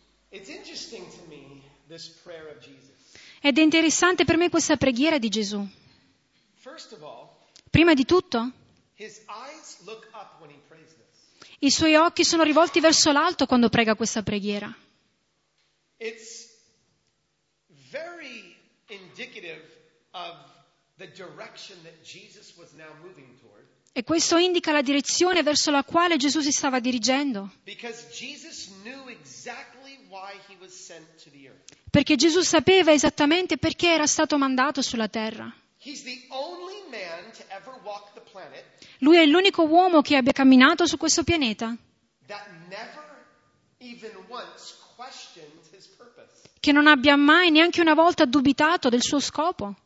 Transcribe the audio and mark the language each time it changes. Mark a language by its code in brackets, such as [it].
[en] It's interesting to me, this prayer of Jesus. [it] Ed è interessante per me questa preghiera di Gesù. [en] First of all, [it] prima di tutto, [en] his eyes look up when he prays this. [it] I suoi occhi sono rivolti verso l'alto quando prega questa preghiera. [en] It's very indicative of the direction that Jesus was now moving toward. [it] E questo indica la direzione verso la quale Gesù si stava dirigendo. [en] Because Jesus knew exactly why he was sent to the earth. [it] Perché Gesù sapeva esattamente perché era stato mandato sulla terra. [en] He's the only man to ever walk the planet. [it] Lui è l'unico uomo che abbia camminato su questo pianeta. [en] That never even once questioned his purpose. [it] Che non abbia mai neanche una volta dubitato del suo scopo.